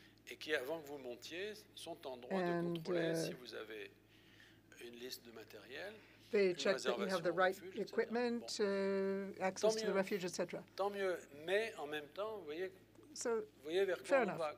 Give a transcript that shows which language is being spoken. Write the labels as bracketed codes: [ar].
[fr] Et qui, avant que vous montiez, sont en droit and, de contrôler si vous avez une liste de matériel, [en] they check that you have the right refuge, equipment, access to the refuge, etc. [fr] Tant mieux, mais en même temps, vous voyez vers quoi on va.